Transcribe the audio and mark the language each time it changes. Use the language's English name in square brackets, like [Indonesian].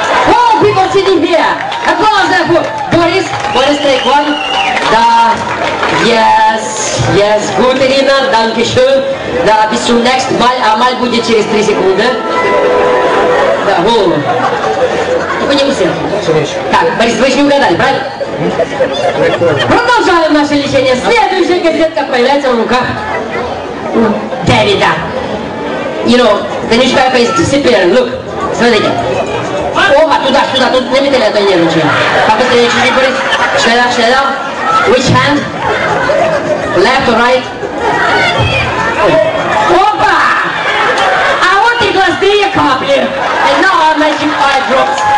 [English] All people sitting here! Applause for Boris! Boris, take one! Да! Yes! Yes! Good, Ирина! [German] Danke schön! Да, bis zum next Mal! [Russian] А Mal будет через 3 секунды! Да, голову! Только не усердно! Так, Борис, вы же не угадали, правильно? Продолжаем наше лечение! Следующая газетка появляется в руках Дэвида! [English] You know, the newspaper is disappearing. [Russian] Look, смотрите. Опа, туда, сюда, тут не видели, а то не ручи. Побыстрее чуть-чуть, Борис. Шляда, шляда. [English] Which hand? Left or right? [Russian] Опа! А вот и глазные капли. [English] And now our magic eye drops.